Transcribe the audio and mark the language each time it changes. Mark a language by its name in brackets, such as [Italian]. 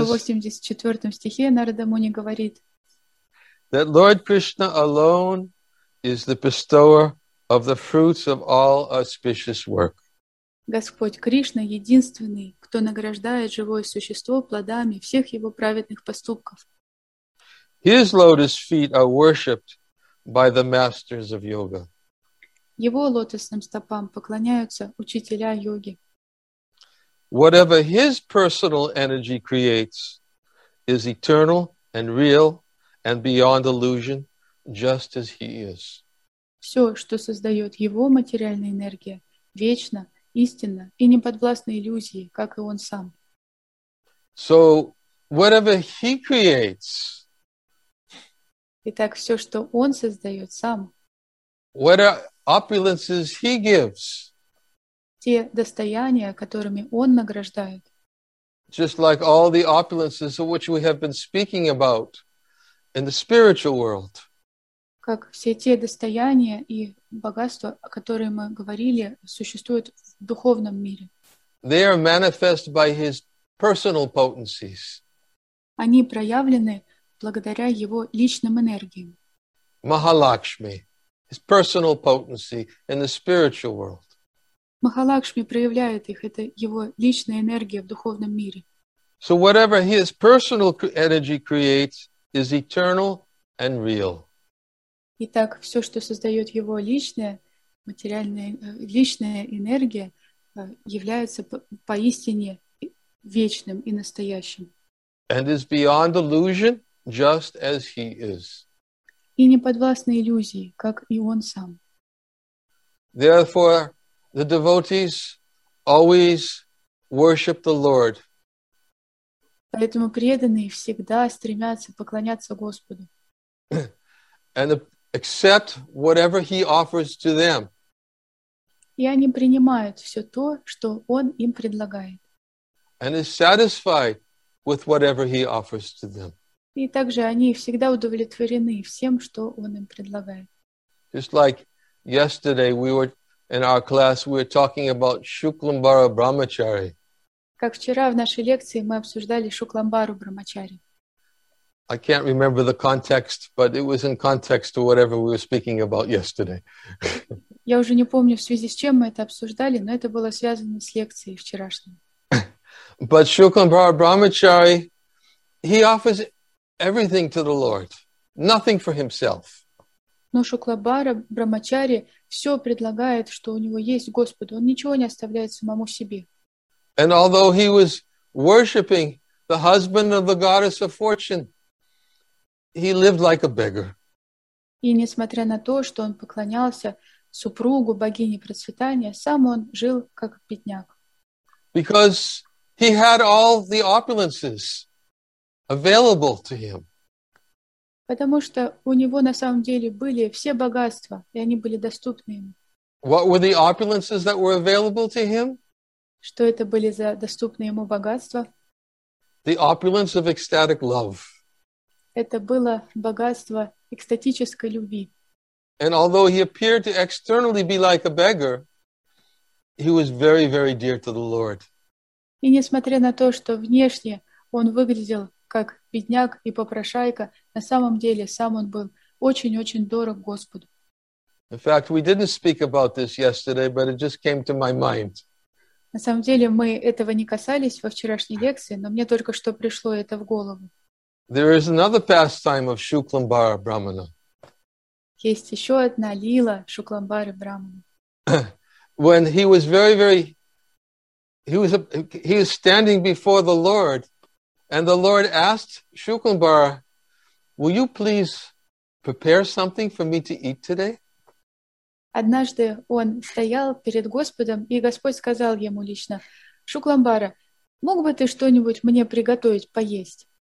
[Russian] в 184 стихе Нарада Муни говорит, [English] that Lord Krishna alone is the bestower of the fruits of all auspicious work. [Russian] Господь Кришна единственный, кто награждает живое существо плодами всех его праведных поступков. [English] His lotus feet are worshipped by the masters of yoga. [Russian] Его лотосным стопам поклоняются учителя йоги. [English] Whatever his personal energy creates is eternal and real and beyond illusion, just as he is. [Russian] Все, что создает его материальная энергия, вечно, истинно и не подвластно иллюзии, как и он сам. [English] So, whatever he creates, [Russian] итак, все, что он создает сам, [English] whatever opulences he gives, [Russian] те достояния, которыми он награждает, [English] just like all the opulences of which we have been speaking about in the spiritual world, [Russian] как все те достояния и богатства, о которых мы говорили, существуют в духовном мире. [English] They are manifest by his personal potencies. [Russian] Они проявлены благодаря его личным энергиям. [English] Mahalakshmi, his personal potency in the spiritual world. [Russian] Mahalakshmi проявляет их, это его личная энергия в духовном мире. [English] So whatever his personal energy creates is eternal and real. [Russian] Итак, все, что создает его личная, материальная, личная энергия, является поистине вечным и настоящим. [English] And is beyond illusion, just as he is. [Russian] И не подвластны иллюзии, как и он сам. [English] Therefore, the devotees always worship the Lord. [Russian] Поэтому преданные всегда стремятся поклоняться Господу. [English] And accept whatever he offers to them. [Russian] И они принимают все то, что он им предлагает. [English] And is satisfied with whatever he offers to them. [Russian] И также они всегда удовлетворены всем, что он им предлагает. [English] Just like yesterday we were in our class, we were talking about Shuklambara Brahmachari. [Russian] Как вчера в нашей лекции мы обсуждали Шукламбару Брамачари. [English] I can't remember the context, but it was in context to whatever we were speaking about yesterday. [Russian] Я уже не помню, в связи с чем мы это обсуждали, но это было связано с лекцией вчерашней. [English] But Shuklambara Brahmachari, he offers everything to the Lord, nothing for himself. [Russian] Но Шуклабара Брамачари все предлагает, что у него есть Господу. Он ничего не оставляет самому себе. [English] And although he was worshiping the husband of the goddess of fortune, he lived like a beggar. [Russian] И несмотря на то, что он поклонялся супругу богини процветания, сам он жил как бедняк. [English] Because he had all the opulences available to him. [Russian] Потому что у него на самом деле были все богатства, и они были доступны ему. [English] What were the opulences that were available to him? [Russian] Что это были за доступные ему богатства? [English] The opulence of ecstatic love. [Russian] Это было богатство экстатической любви. [English] And although he appeared to externally be like a beggar, he was very, very dear to the Lord. [Russian] И несмотря на то, что внешне он выглядел как бедняк и попрошайка, на самом деле сам он был очень-очень дорог Господу. [English] In fact, we didn't speak about this yesterday, but it just came to my mind. [Russian] На самом деле мы этого не касались во вчерашней лекции, но мне только что пришло это в голову. [English] There is another pastime of Shuklambara Brahmana. [Russian] Есть еще одна лила Шукламбары Брамана. [English] When he was very, very, he was standing before the Lord, and the Lord asked Shuklambara, "Will you please prepare something for me to eat today?" [Russian] Однажды он стоял перед Господом, и Господь сказал ему лично: "Шукламбара, мог бы ты что-нибудь мне приготовить поесть?"